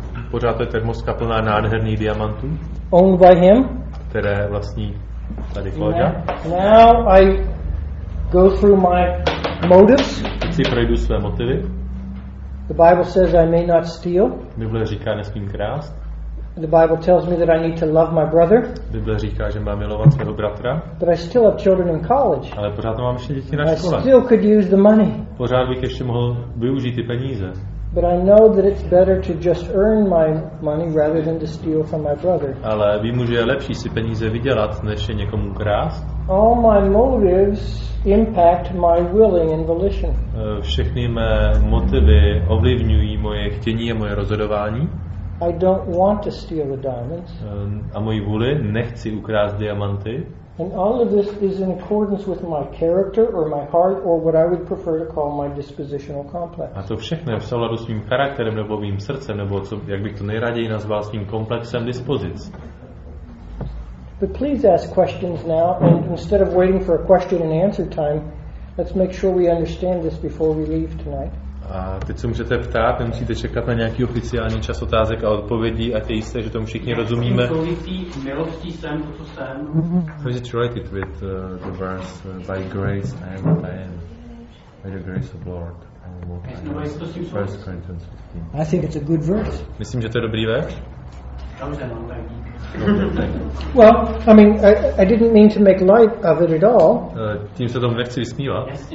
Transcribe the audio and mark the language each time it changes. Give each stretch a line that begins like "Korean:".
Czech: Pořád to je termoska plná nádherných diamantů.
English: Owned by him.
Czech: Které vlastní tady Claudia.
English: Now I go through my motives.
Czech: Teď si projdu své motivy.
English: The Bible says I may not steal.
Czech: Bible říká, nesmím krást.
English: The Bible tells me that I need to love my brother.
Czech: Bible říká, že mám milovat svého bratra.
English: But I still have children in college.
Czech: Ale pořád mám ještě děti na škole.
English: I still could use the money.
Czech: Pořád bych ještě mohl využít ty peníze.
English: But I know that it's better to just earn my money rather than to steal from my brother.
Czech: Ale vím, že je lepší si peníze vydělat, než je někomu krást.
English: All my motives impact my willing and volition.
Czech: Všechny mé motivy ovlivňují moje chtění a moje rozhodování.
English: I don't want to steal the diamonds.
Czech: A moji vůli nechci ukrást diamanty.
English: And all of this is in accordance with my character or my heart or what I would prefer to call my dispositional complex.
Czech: A to všechno je v souladu s mým charakterem nebo mým srdcem nebo co, jak bych to nejraději nazval, svým komplexem dispozic.
English: But please ask questions now, and instead of waiting for a question and answer time, let's make sure we understand this before we leave tonight.
Czech: A teď se můžete ptát, nemusíte čekat na nějaký oficiální čas otázek a odpovědí, ať je jisté, že tomu všichni rozumíme. Milostí jsem, to co jsem.
English: How is it related with the verse, by grace I am what I am, by the grace of Lord I am what I am. 1 Corinthians 15. I think it's a good verse.
Czech: Myslím, že to je dobrý verš.
English: Well, I mean, I didn't mean to make light of it at all.
Czech: Tím se tomu nechci vysmívat.